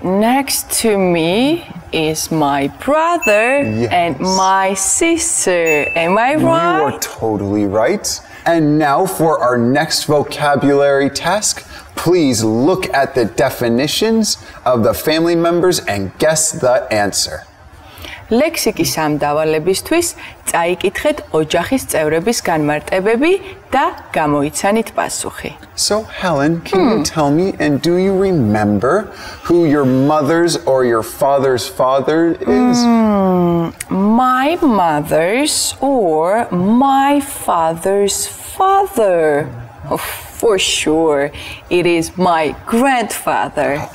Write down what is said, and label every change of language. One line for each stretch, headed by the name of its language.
English: Next to me is my brother and my sister. Am I right? You are totally right. And now for our next vocabulary task, please look at the definitions of the family members and guess the answer.
Georgian: ლექსიკის ამ დავალებისთვის წაიკითხეთ ოჯახის წევრების განმარტებები და გამოიცანით პასუხი.
English: So, Helen, can you tell me and do you remember who your mother's or your father's father is? My mother's or my father's father. For sure, it is my grandfather.